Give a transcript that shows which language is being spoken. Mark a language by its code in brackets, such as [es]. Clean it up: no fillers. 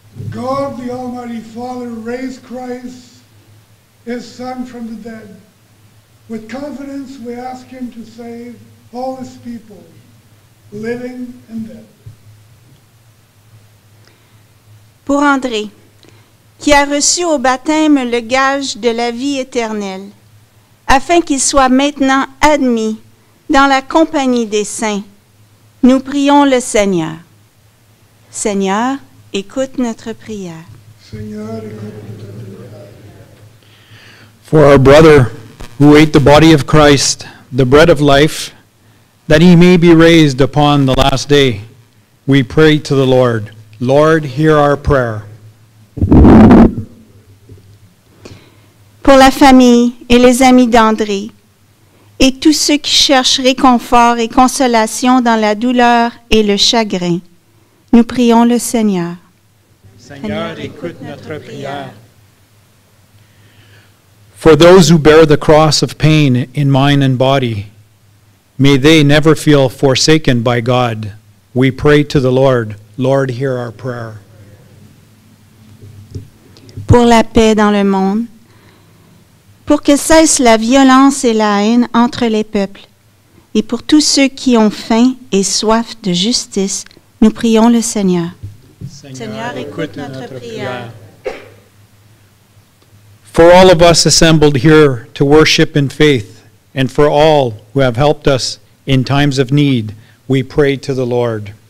[en] God the Almighty Father raised Christ, his Son, from the dead. With confidence, we ask him to save all his people, living and dead. [fr] Pour André, qui a reçu au baptême le gage de la vie éternelle, afin qu'il soit maintenant admis dans la compagnie des saints, nous prions le Seigneur. Seigneur, écoute notre prière. Seigneur, écoute notre prière. [en] For our brother who ate the body of Christ, the bread of life, that he may be raised upon the last day, we pray to the Lord. Lord, hear our prayer. [fr] Pour la famille et les amis d'André, et tous ceux qui cherchent réconfort et consolation dans la douleur et le chagrin, nous prions le Seigneur. Seigneur, écoute notre prière. [en] For those who bear the cross of pain in mind and body, may they never feel forsaken by God. We pray to the Lord. Lord, hear our prayer. [fr] Pour la paix dans le monde, pour que cesse la violence et la haine entre les peuples, et pour tous ceux qui ont faim et soif de justice, nous prions le Seigneur. Seigneur, écoute notre prière. [en] For all of us assembled here to worship in faith, and for all who have helped us in times of need, we pray to the Lord.